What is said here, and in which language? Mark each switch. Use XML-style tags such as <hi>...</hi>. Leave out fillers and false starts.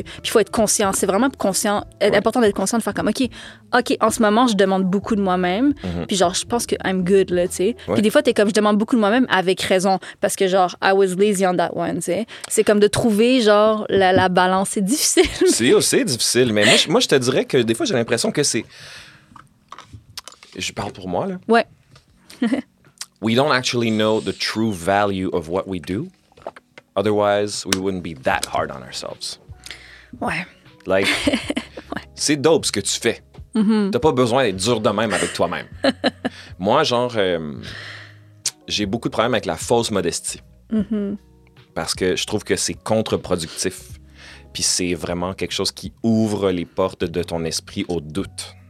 <fr>Puis il faut être conscient. C'est vraiment conscient. Ouais. Important d'être conscient, de faire comme OK, en ce moment, je demande beaucoup de moi-même, puis genre, je pense que</fr> <en>I'm good,</en> <fr>là, tu sais. Ouais. Puis des fois, t'es comme, je demande beaucoup de moi-même avec raison, parce que genre,</fr> <en>I was lazy on that one,</en> <fr>tu sais. C'est comme de trouver genre la balance. C'est difficile. C'est aussi difficile, mais moi, je te dirais que des fois, j'ai l'impression que c'est. Je parle pour moi, là. Ouais.</fr> <en>We don't actually know the true value of what we do. Otherwise, we wouldn't be that hard on ourselves.</en> <fr>Ouais. Like, ouais. C'est dope ce que tu fais. Mm-hmm. T'as pas besoin d'être dur de même avec toi-même. Moi, genre, j'ai beaucoup de problèmes avec la fausse modestie. Mm-hmm. Parce que je trouve que c'est contre-productif. Puis c'est vraiment quelque chose qui ouvre les portes de ton esprit au doute.</fr>